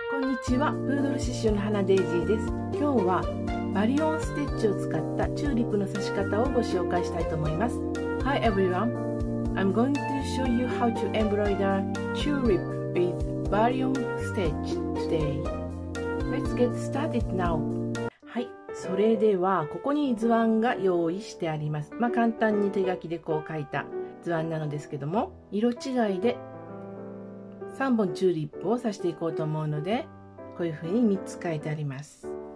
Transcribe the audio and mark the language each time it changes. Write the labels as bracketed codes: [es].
[ja] こんにちは、プードル刺繍の花デイジーです。今日はバリオンステッチを使ったチューリップの刺し方をご紹介したいと思います。 [en] Hi everyone, I'm going to show you how to embroider tulip with Varion stitch today. Let's get started now. [ja] はい、それではここに図案が用意してあります。まあ簡単に手書きでこう書いた図案なのですけども、色違いで3本チューリップを刺していこうと思うので、こういうふうに3つ書いてあります。